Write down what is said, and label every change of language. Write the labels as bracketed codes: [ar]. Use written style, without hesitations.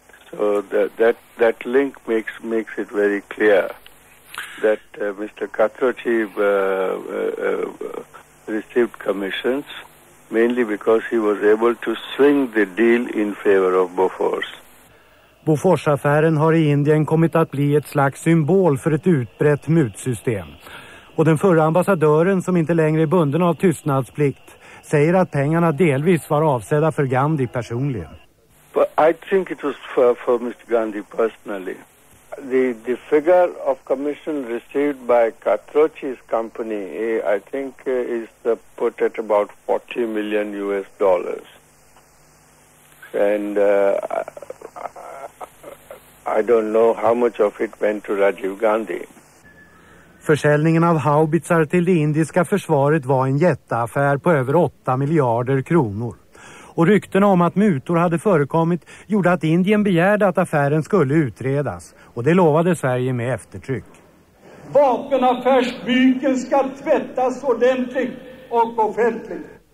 [en] So that link makes it very clear that Mr. Quattrocci received commissions mainly because he was able to swing the deal in favor of Bofors. [sv] Bofors-affären har i Indien kommit att bli ett slags symbol för ett utbrett mutsystem. Och den förra ambassadören, som inte längre är bunden av tystnadsplikt, säger att pengarna delvis var avsedda för Gandhi personligen. [en] But I think it was for Mr. Gandhi personally. The figure of commission received by Quattrocci's company, I think, is put at about $40 million. And I don't know how much of it went to Rajiv Gandhi. [sv] Försäljningen av haubitsar till det indiska försvaret var en jätteaffär på över 8 miljarder kronor. Och ryktena om att mutor hade förekommit gjorde att Indien begärde att affären skulle utredas. Och det lovade Sverige med eftertryck. Vapenaffärsbyken ska tvättas ordentligt och offentligt.